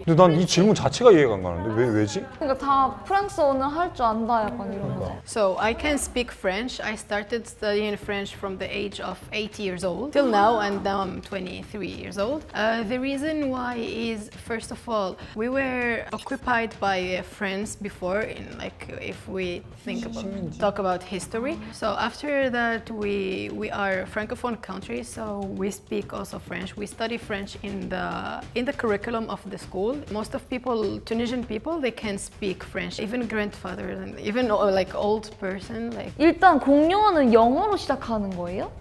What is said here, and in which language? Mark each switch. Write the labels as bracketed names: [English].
[Korean] 근데 난 이 질문 자체가 이해가 안 가는데 왜 왜지? 그러니까 다 프랑스어는 할 줄 안다 약간 이런 거. [English] So I can speak French. I started studying French from the age of 8 years old till now, and now I'm 23 years old. The reason why is, first of all, we were occupied by France before, in like, if we think about talk about history. So after that, we are Francophone country, so we speak also French. We study French in the curriculum of the school. Most of people, Tunisian people, they can speak French. Even grandfathers and even like old person, like. [Korean] 일단 공용어는 영어로 시작하는 거예요?